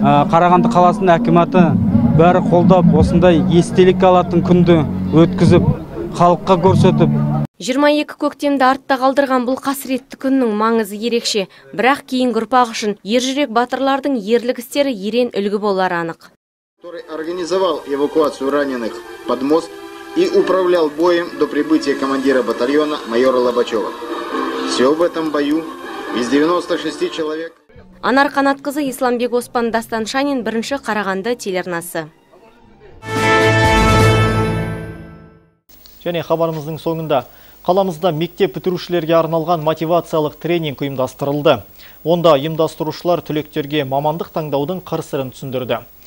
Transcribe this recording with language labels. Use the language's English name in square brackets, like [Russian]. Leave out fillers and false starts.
[Kazakh] Қарағанды қаласының әкіматы бәрі қолдап осындай естелік алатын күнді өткізіп халыққа көрсетіп. 22 көктемді артта қалдырған бұл қасіретті күннің маңызы ерекше, бірақ кейін ұрпақ үшін ержүрек батырлардың ерлік істері ерен үлгі болары анық. [Russian] Организовал эвакуацию раненых под мост и управлял боем до прибытия командира батальона майора Лобачева. Все в этом бою из 96 человек. [Kazakh] Анар Қанатқызы, Исламбек Оспан, Дастан Шанин, бірінші Қарағанды телеарнасы. Және хабарымыздың соңында қаламызда мектеп бітірушілерге арналған мотивациялық тренинг ұйымдастырылды. Онда ұйымдастырушылар түлектерге мамандық таңдаудың қыр-сырын түсіндірді.